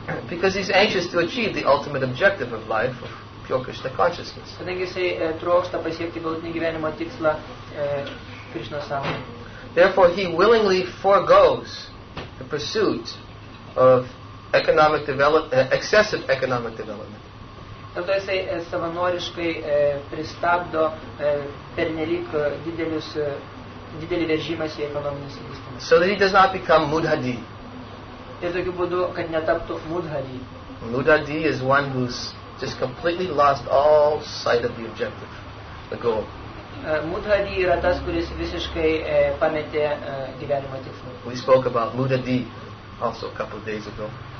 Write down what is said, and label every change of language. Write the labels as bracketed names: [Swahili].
[English] Because he's anxious to achieve the ultimate objective of life, of pure Krishna consciousness. [Lithuanian] Kadangi jisai trokšta pasiekti galutinį gyvenimo tikslą Krishna sąmonė. [English] Therefore, he willingly foregoes the pursuit of economic excessive economic development. [Lithuanian] Dėl to jisai savanoriškai pristabdo pernelyg didelius didelį veržimąsi į ekonominį sistemą. [English] So that he does not become mudhadi. [Lithuanian] Ir tokiu būdu, kad netaptų mudhadi. [English] Mudhadi is one who's just completely lost all sight of the objective, the goal. [Lithuanian] Mudhadi yra tas, kuris visiškai pametė gyvenimo tikslą. [English] We spoke about mudhadi also a couple of days ago.